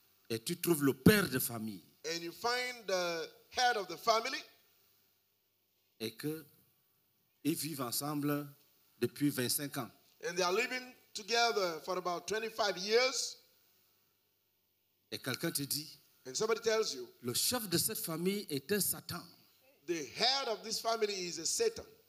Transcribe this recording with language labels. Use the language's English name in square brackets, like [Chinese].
[French] et tu trouves le père de famille, [English] and you find the head of the family, [French] et qu'ils vivent ensemble depuis 25 ans, [English] and they are living together for about 25 years. [French] Et quelqu'un te dit, [English] and somebody tells you, [French] le chef de cette famille est un Satan. [English] The head of this family is a Satan.